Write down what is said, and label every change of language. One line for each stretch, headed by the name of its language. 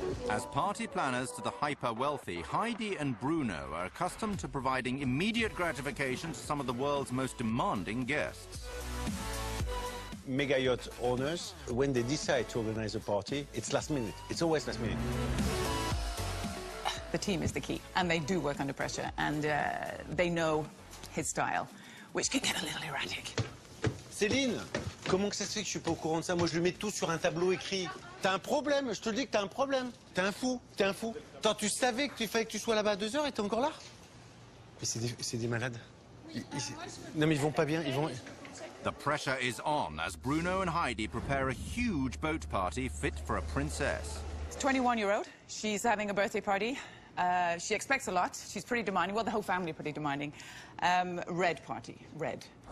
English: As party planners to the hyper-wealthy, Heidi and Bruno are accustomed to providing immediate gratification to some of the world's most demanding guests. Mega yacht owners, when they decide to organize a party, it's last minute. It's always last minute. The team is the key, and they do work under pressure, and they know his style, which can get a little erratic.
French: Céline, comment que ça se fait que je suis pas au courant de ça? Moi, je lui mets tout sur un tableau écrit. T'as un problème, je te le dis que t'as un problème. T'es un fou, t'es un fou. Tant tu savais que tu fallait que tu sois là-bas à deux heures et t'es encore là? Mais c'est des malades. Non, mais ils vont pas bien, ils vont...
English: The pressure is on as Bruno and Heidi prepare a huge boat party fit for a princess. 21-year-old. She's having a birthday party. She expects a lot. She's pretty demanding. Well, the whole family are pretty demanding. Red party. Red.